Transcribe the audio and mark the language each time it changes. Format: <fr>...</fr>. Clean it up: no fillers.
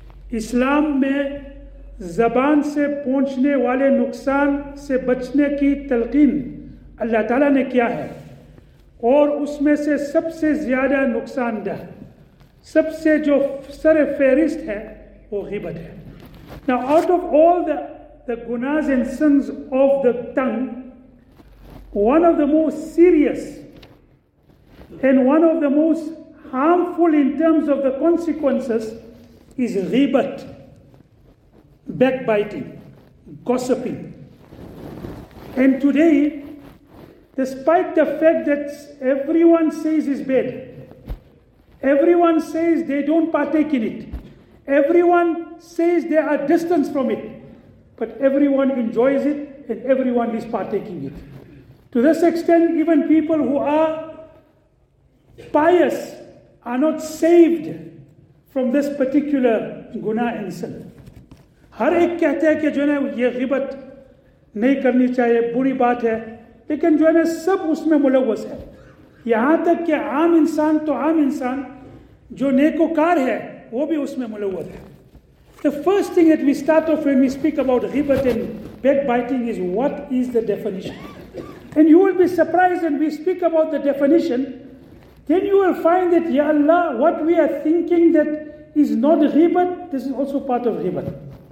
<ur>Islam mein زبان سے پہنچنے والے نقصان سے بچنے کی تلقین اللہ تعالیٰ نے کیا ہے اور اس میں سے سب سے زیادہ نقصان دہ سب سے جو سر فہرست ہے وہ غیبت ہے.</ur> <en>Now out of all the gunas and sins of the tongue, one of the most serious and one of the most harmful in terms of the consequences is غیبت, backbiting, gossiping. And today, despite the fact that everyone says it's bad, everyone says they don't partake in it, everyone says they are distanced from it, but everyone enjoys it and everyone is partaking it. To this extent, even people who are pious are not saved from this particular guna and sin.</en> <ur>ہر ایک کہتا ہے کہ جو ہے نا یہ غیبت نہیں کرنی چاہیے, بری بات ہے, لیکن جو ہے نا سب اس میں ملوث ہے. یہاں تک کہ عام انسان, تو عام انسان جو نیکوکار ہے وہ بھی اس میں ملوث ہے.</ur> <en>The first thing that we start off when we speak about غیبت and backbiting is what is the definition. And you will be surprised when we speak about the definition, then you will find that, Ya Allah, what we are thinking that is not غیبت, this is also part of غیبت.</en>